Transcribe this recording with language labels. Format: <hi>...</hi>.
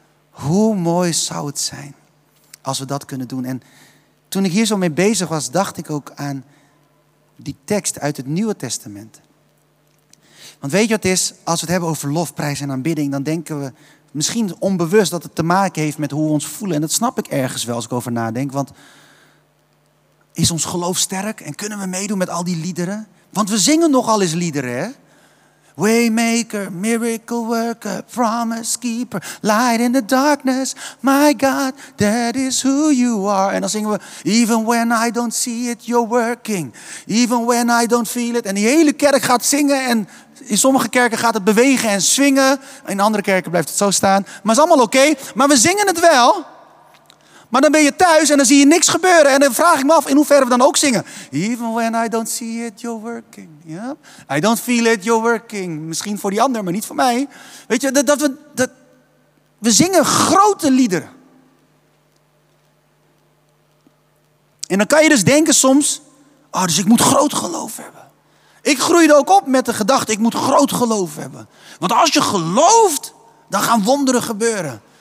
<nl>Hoe mooi zou het zijn als we dat kunnen doen. En toen ik hier zo mee bezig was, dacht ik ook aan die tekst uit het Nieuwe Testament. Want weet je wat het is? Als we het hebben over lofprijs en aanbidding, dan denken we misschien onbewust dat het te maken heeft met hoe we ons voelen. En dat snap ik ergens wel als ik over nadenk. Want is ons geloof sterk en kunnen we meedoen met al die liederen? Want we zingen nogal eens liederen, hè?</nl> <en>Waymaker, miracle worker, promise keeper, light in the darkness, my God, that is who you are.</en> <nl>En dan zingen we,</nl> <en>even when I don't see it, you're working. Even when I don't feel it.</en> <nl>En die hele kerk gaat zingen en in sommige kerken gaat het bewegen en swingen. In andere kerken blijft het zo staan. Maar is allemaal oké. Maar we zingen het wel. Maar dan ben je thuis en dan zie je niks gebeuren. En dan vraag ik me af, in hoeverre we dan ook zingen.</nl> <en>Even when I don't see it, you're working. Yeah? I don't feel it, you're working.</en> <nl>Misschien voor die ander, maar niet voor mij. Weet je, we zingen grote liederen. En dan kan je dus denken soms, oh, dus ik moet groot geloof hebben. Ik groeide ook op met de gedachte, ik moet groot geloof hebben. Want als je gelooft, dan gaan wonderen gebeuren.</nl>